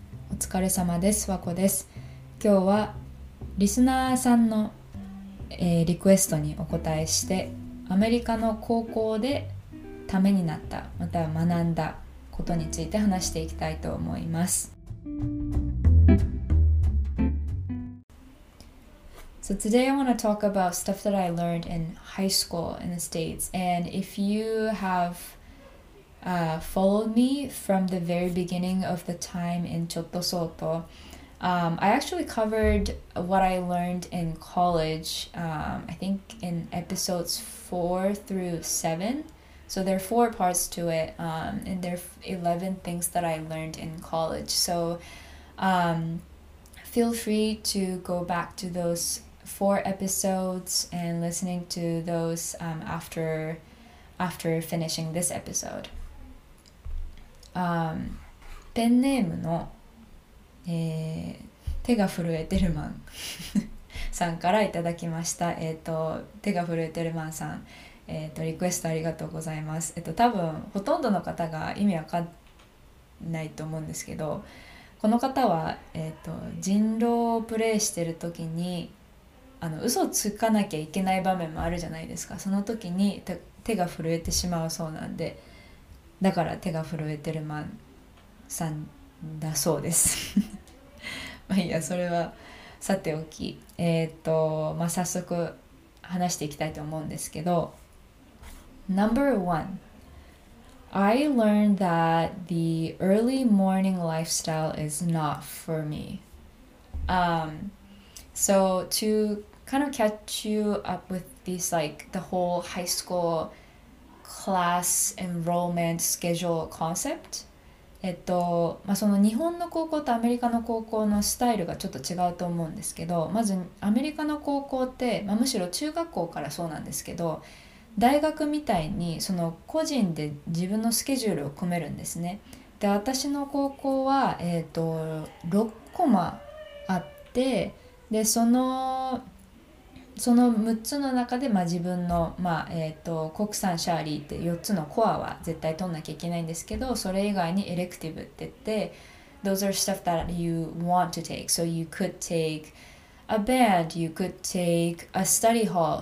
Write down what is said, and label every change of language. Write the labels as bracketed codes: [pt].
[ja] お疲れ様です、和子です。今日はリスナーさんの、リクエストにお答えして、アメリカの高校でためになった、または学んだことについて話していきたいと思います。 [en] So today I want to talk about stuff that I learned in high school in the States. And if you have followed me from the very beginning of the time in Chottosoto, I actually covered what I learned in college, I think in episodes 4 through 7. So there are 4 parts to it, and there are 11 things that I learned in college. So feel free to go back to those 4 episodes and listening to those after finishing this episode. [ja] ペンネームの、手が震えてるまんさんからいただきました。手が震えてるまんさん、リクエストありがとうございます。多分ほとんどの方が意味わかんないと思うんですけど、この方は、人狼をプレイしてる時に嘘をつかなきゃいけない場面もあるじゃないですか。その時に手が震えてしまうそうなんで、だから手が震えてるまんさんだそうですまあいいや、それはさておき、まあ、早速話していきたいと思うんですけど、 [en] Number one, I learned that the early morning lifestyle is not for me. So to kind of catch you up with these, like the whole high school class enrollment schedule concept. [ja] まあ、その日本の高校とアメリカの高校のスタイルがちょっと違うと思うんですけど、まずアメリカの高校って、まあ、むしろ中学校からそうなんですけど、大学みたいにその個人で自分のスケジュールを組めるんですね。で、私の高校は、6コマあって、で、その6つの中で、まあ、自分の、まあ国産シャーリーって4つのコアは絶対取んなきゃいけないんですけど、それ以外にエレクティブって言って、 [en] Those are stuff that you want to take. So you could take a band, you could take a study hall.